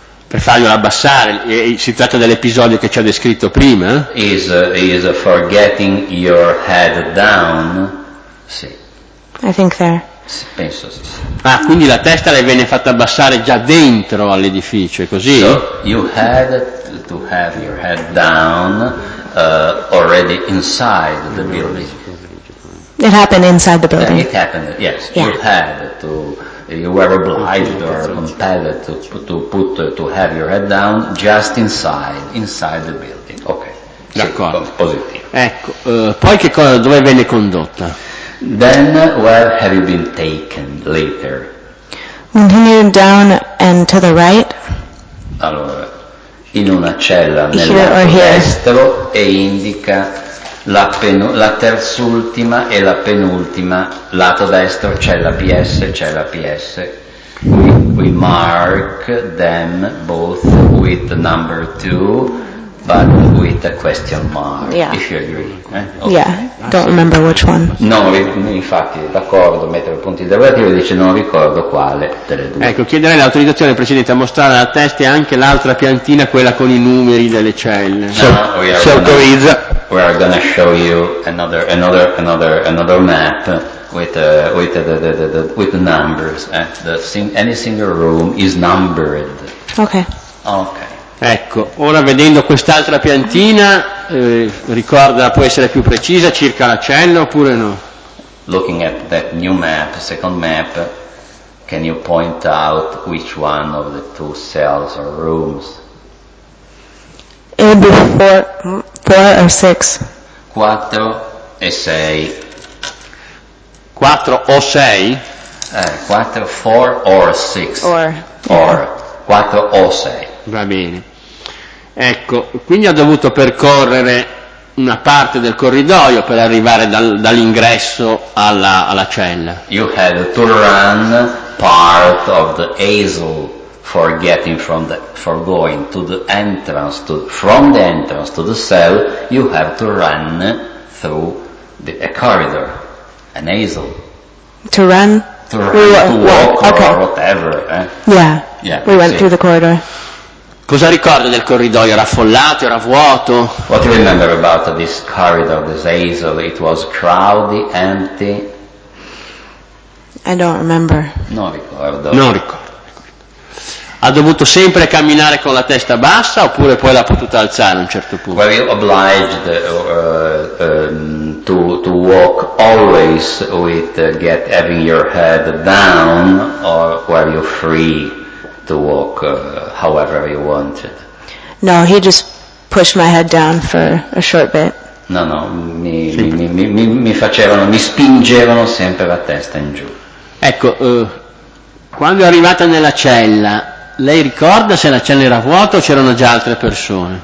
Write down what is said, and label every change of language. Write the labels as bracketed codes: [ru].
[it] per farglielo abbassare, e si tratta dell'episodio che ci ha descritto prima. [en] Is for getting your head down. Sì. I think there. [it] Sì, penso sì, sì. Ah, quindi la testa le viene fatta abbassare già dentro all'edificio, è così? [en] So you had to have your head down already inside the building. It happened inside the building. It happened, yes. Yeah. You had to, you were obliged or compelled to have your head down just inside the building. Okay. [it] D'accordo. Sì, positivo. Ecco, poi che cosa, dove venne condotta? [en] Then where have you been taken later? Continue down and to the right. [it] Allora, in una cella nell'estero, e indica la terz'ultima e la penultima, lato destro c'è la PS. [en] We mark them both with the number 2, but with a question mark, yeah. If you agree. Okay. Yeah, don't remember which one. [it] No, infatti, d'accordo, mettere il punto interrogativo, dice non ricordo quale delle due. Ecco, chiederei l'autorizzazione precedente a mostrare la testa e anche l'altra piantina, quella con i numeri delle celle. No, si autorizza. [en] We are going to show you another map with the numbers. Any single room is numbered. Okay. [it] Ecco, ora vedendo quest'altra piantina, ricorda, può essere più precisa circa la cella oppure no? [en] Looking at that new map, second map, can you point out which one of the two cells or rooms? It'd be four or six. [it] 4 e 6. 4 o 6? [en] 4, 4 or 6. Or. [it] 4 o 6. Va bene. Ecco, quindi ha dovuto percorrere una parte del corridoio per arrivare dall'ingresso alla cella. [en] You had to run part of the aisle. From the entrance to the cell, you have to run through a corridor, an aisle. To walk, or whatever. Yeah. We went through the corridor. [it] Cosa ricorda del corridoio? Era affollato? Era vuoto? [en] What do you remember about this corridor, this aisle? It was crowded, empty. I don't remember. [it] Non ricordo. Ha dovuto sempre camminare con la testa bassa oppure poi l'ha potuta alzare a un certo punto? [en] Were you obliged to walk always with having your head down, or were you free to walk however you wanted? No, he just pushed my head down for a short bit. [it] No, mi spingevano sempre la testa in giù. Ecco, quando è arrivata nella cella, lei ricorda se la cella era vuota o c'erano già altre persone?